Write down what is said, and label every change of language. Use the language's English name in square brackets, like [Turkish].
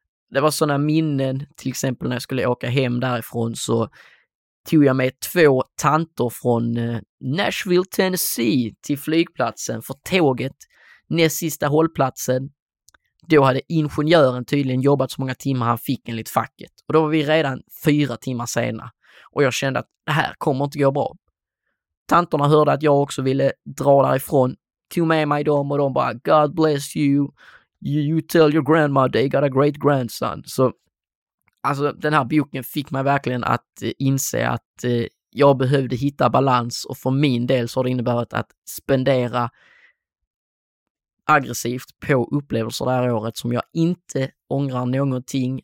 [Swedish] Det var sådana minnen. Till exempel när jag skulle åka hem därifrån så tog jag med 2 tanter från Nashville, Tennessee till flygplatsen för tåget näst sista hållplatsen. Då hade ingenjören tydligen jobbat så många timmar han fick enligt facket. Och då var vi redan 4 timmar sena. Och jag kände att det här kommer inte gå bra. Tantorna hörde att jag också ville dra därifrån. Tog med mig dem och de bara, [English] God bless you. You tell your grandma they got a great grandson. [Swedish] Så alltså, den här boken fick mig verkligen att inse att jag behövde hitta balans. Och för min del så har det inneburit att spendera aggressivt på upplevelser det här året som jag inte ångrar någonting.